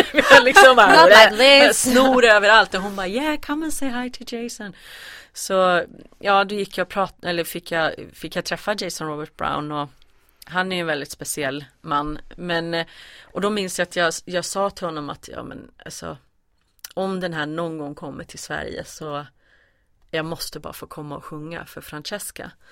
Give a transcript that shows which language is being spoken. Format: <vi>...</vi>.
<sv>Jag liksom bara, snor överallt. Och hon bara,</sv> <en>yeah, come and say hi to Jason.</en> <sv>Så ja, då gick jag prata, eller fick jag träffa Jason Robert Brown. Och han är ju en väldigt speciell man. Men, och då minns jag att jag sa till honom att ja, men alltså, om den här någon gång kommer till Sverige så jag måste bara få komma och sjunga för Francesca.</sv>